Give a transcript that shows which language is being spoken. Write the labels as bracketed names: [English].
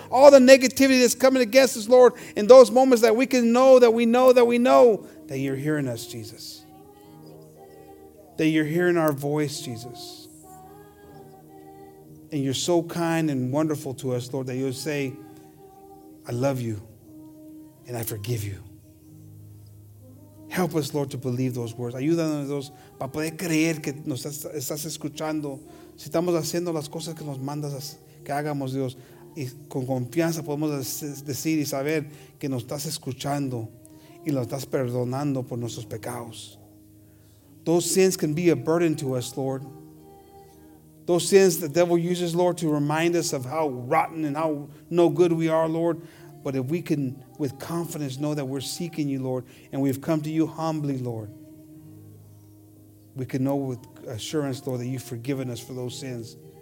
[English] All the negativity that's coming against us, Lord, in those moments that we can know that we know that we know that you're hearing us, Jesus. That you're hearing our voice, Jesus. And you're so kind and wonderful to us, Lord, that you'll say, I love you and I forgive you. Help us, Lord, to believe those words. [Spanish] Ayúdanos, Dios, para poder creer que nos estás escuchando. Si estamos haciendo las cosas que nos mandas que hagamos, Dios, y con confianza podemos decir y saber que nos estás escuchando y nos estás perdonando por nuestros pecados. [English] those sins can be a burden to us, Lord. Those sins the devil uses, Lord, to remind us of how rotten and how no good we are, Lord. But if we can, with confidence, know that we're seeking you, Lord, and we've come to you humbly, Lord, we can know with assurance, Lord, that you've forgiven us for those sins.